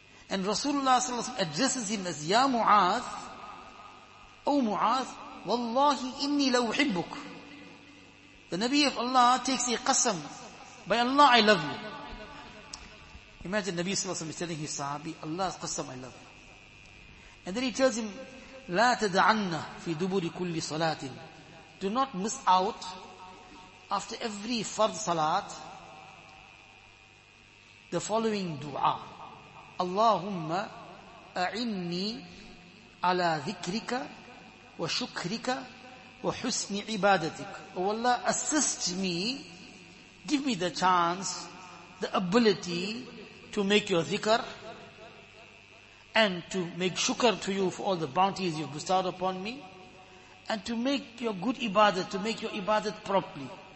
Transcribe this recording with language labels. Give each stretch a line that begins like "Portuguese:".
English: And Rasulullah sallallahu alayhi wa sallam addresses him as, Ya Mu'adh, O Mu'adh,
Arabic: Wallahi inni law uhibbuk.
English: The Nabi of Allah takes a qasam, by Allah I love you. Imagine Nabi sallallahu alayhi wa sallam is telling his Sahabi, Allah's qasam, I love you. And then he tells him,
Arabic: لا تدعنا في دبر كل صلاة.
English: Do not miss out after every fard salat the following dua.
Arabic: اللهم أعني على ذكرك وشكرك وحسن عبادتك.
English: Oh Allah, assist me, give me the chance, the ability to make your dhikr and to make shukr to you for all the bounties you've bestowed upon me, and to make your good ibadah, to make your ibadah properly.